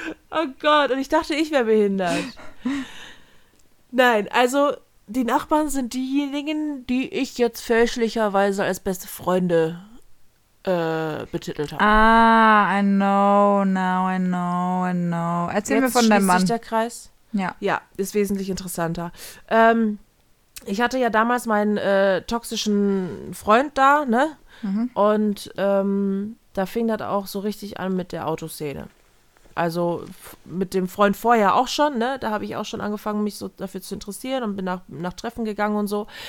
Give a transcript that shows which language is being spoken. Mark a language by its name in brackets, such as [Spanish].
[German] Oh Gott, und ich dachte, ich wäre behindert. Nein, also die Nachbarn sind diejenigen, die ich jetzt fälschlicherweise als beste Freunde betitelt habe. [English] Ah, I know, now I know, I know. [German] Erzähl jetzt mir von deinem Mann. Der Kreis. Ja. Ja, ist wesentlich interessanter. Ich hatte ja damals meinen toxischen Freund da, ne? Mhm. Und da fing das auch so richtig an mit der Autoszene. Also mit dem Freund vorher auch schon, ne? Da habe ich auch schon angefangen, mich so dafür zu interessieren und bin nach Treffen gegangen und so.